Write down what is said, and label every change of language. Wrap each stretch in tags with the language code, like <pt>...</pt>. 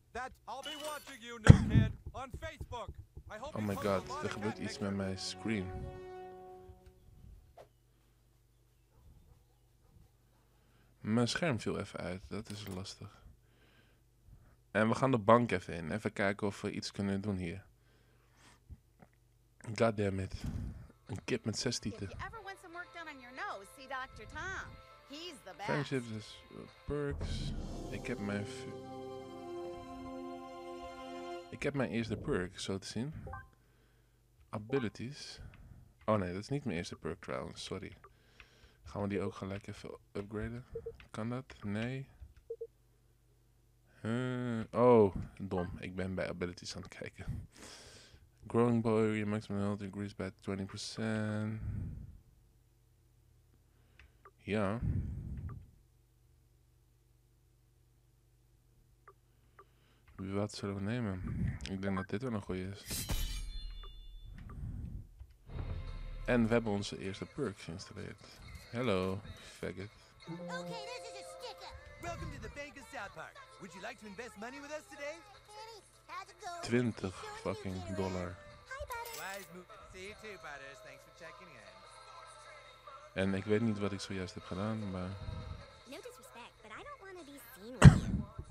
<en>That I'll be watching you, new kid, on Facebook. I hope oh my god,</en> <nl>er gebeurt iets met mijn screen. Mijn scherm viel even uit, dat is lastig. En we gaan de bank even in, even kijken of we iets kunnen doen hier.</nl> <en>God damn it.</en> <nl>Een kip met 6 tieten.</nl> <en>If you ever want some work done on your nose, see Dr. Tom. He's the best. Friendship is perks.</en> <nl>Ik heb mijn... Ik heb mijn eerste perk, zo te zien. Abilities. Oh nee, dat is niet mijn eerste perk trouwens, sorry. Gaan we die ook gelijk even upgraden? Kan dat? Nee. Oh, dom. Ik ben bij abilities aan het kijken.</nl> <en>Growing boy, your maximum health increase by 20%.</en> <nl>Ja. Wat zullen we nemen? Ik denk dat dit wel een goede is. En we hebben onze eerste perk geïnstalleerd.</nl> <en>Hello, faggot. Okay, this is a sticker. Welcome to the Bank of South Park. Would you like to invest money with us today? $20 fucking dollar. Wise move. See you too, butters. Thanks for checking in.</en> <nl>En ik weet niet wat ik zojuist heb gedaan, maar.</nl> <en>No disrespect, but I don't want to be seen with you.</en>